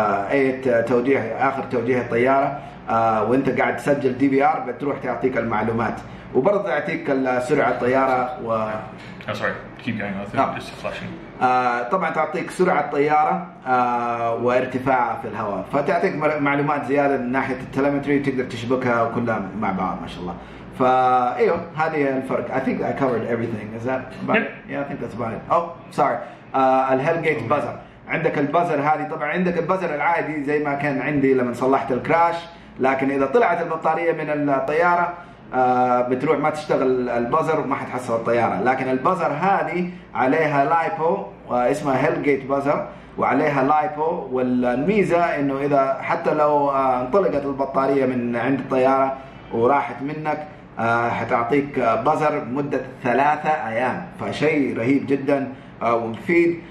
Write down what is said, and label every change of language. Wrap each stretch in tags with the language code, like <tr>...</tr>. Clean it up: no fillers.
<ar>اي توجيه اخر توجيه الطياره وانت قاعد تسجل دي بي ار بتروح تعطيك المعلومات وبرضه تعطيك سرعه الطياره</ar> <en>سوري كيب جوينج اي ثينك جست فلاشينج</en> <ar>طبعا تعطيك سرعة الطيارة وارتفاعها في الهواء، فتعطيك معلومات زيادة من ناحية التليمتري، تقدر تشبكها وكلها مع بعض ما شاء الله. فأيوه هذه الفرق.</ar> <en>I think I covered everything. Is that about it? Yeah, I think that's about it. Oh, sorry. الهيلجيت buzzer.</en> <ar>عندك البازر هذه، طبعا عندك البازر العادي زي ما كان عندي لما صلحت الكراش، لكن إذا طلعت البطارية من الطيارة بتروح ما تشتغل البازر وما حتحصل الطيارة. لكن البازر هذه عليها لايبو اسمها هيلجيت بازر، وعليها لايبو، والميزة انه اذا حتى لو انطلقت البطارية من عند الطيارة وراحت منك حتعطيك بازر مدة 3 ايام، فشيء رهيب جدا ومفيد.</ar>